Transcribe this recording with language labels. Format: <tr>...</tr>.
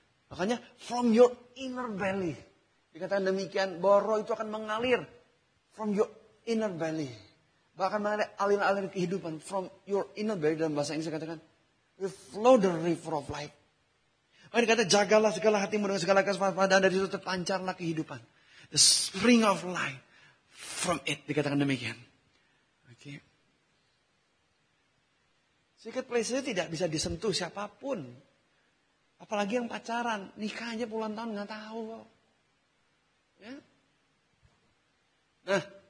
<id>Makanya</id> <en>from your inner belly.</en> <id>Dikatakan demikian bahwa roh itu akan mengalir</id> <en>from your inner belly.</en> <id>Bahkan mengalir aliran-aliran kehidupan</id> <en>from your inner belly</en> <id>dalam bahasa Inggris dikatakan.</id> <en>We flow the river of life.</en> <id>Makanya dikatakan jagalah segala hatimu dengan segala kesempatan dari situ terpancarlah kehidupan.</id> <en>The spring of life from it.</en> <id>Dikatakan demikian. Okay.</id> <en>Secret place</en> <id>itu tidak bisa disentuh siapapun. Apalagi yang pacaran. Nikah aja puluhan tahun gak tahu. Ya? Nah.</id>